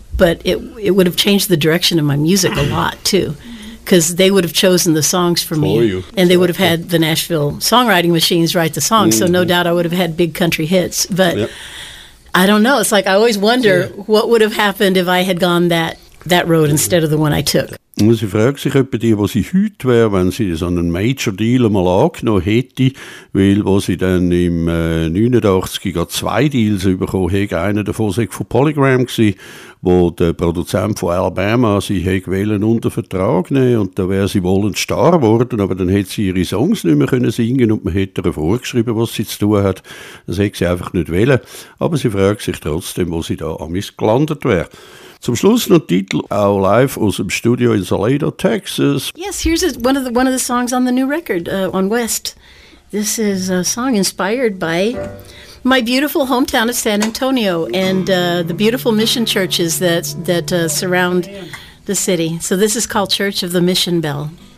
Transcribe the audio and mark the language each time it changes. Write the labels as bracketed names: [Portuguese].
[English] but it would have changed the direction of my music a lot too, because they would have chosen the songs for me, you. And they would have had the Nashville songwriting machines write the songs. Mm-hmm. So no doubt I would have had big country hits. But I don't know. It's like I always wonder what would have happened if I had gone that road instead of the one I took. [German] Und sie fragt sich etwa die, was sie heute wäre, wenn sie so einen Major Deal mal angenommen hätte, weil wo sie dann im 89 zwei Deals bekommen hätte. Einer davon sei von Polygram gewesen, wo der Produzent von Alabama sie hätte wollen unter Vertrag nehmen und da wäre sie wohl ein Star geworden, aber dann hätte sie ihre Songs nicht mehr können singen und man hätte ihr vorgeschrieben, was sie zu tun hat. Das hätte sie einfach nicht wollen. Aber sie fragt sich trotzdem, wo sie da amis gelandet wäre. Zum Schluss noch Titel, auch live aus dem Studio in Salado, Texas. [English] Yes, here's one of the songs on the new record, on West. This is a song inspired by my beautiful hometown of San Antonio and the beautiful mission churches that surround the city. So this is called Church of the Mission Bell.